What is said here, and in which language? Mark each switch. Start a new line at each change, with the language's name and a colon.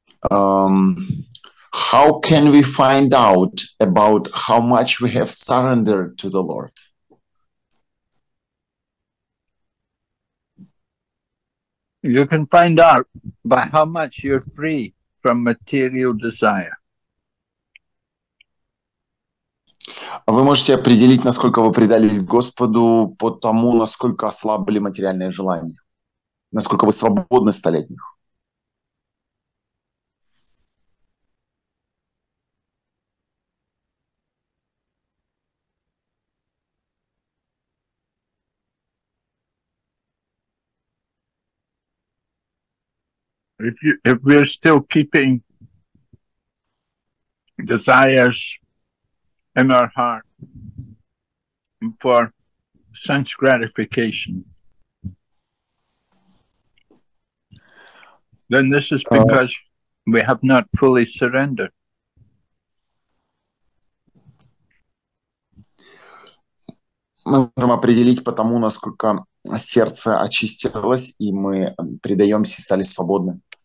English: How can we find out about how much we have surrendered to the Lord? You can find out by how much you're free from material desire.
Russian: Вы можете определить, насколько вы предались Господу по тому, насколько ослабли материальные желания, насколько вы свободны стали от них.
English: If we're still keeping desires in our heart for sense gratification, then this is because we have not fully surrendered.
Russian: Мы можем определить по тому, насколько сердце очистилось, и мы предаемся и стали свободны.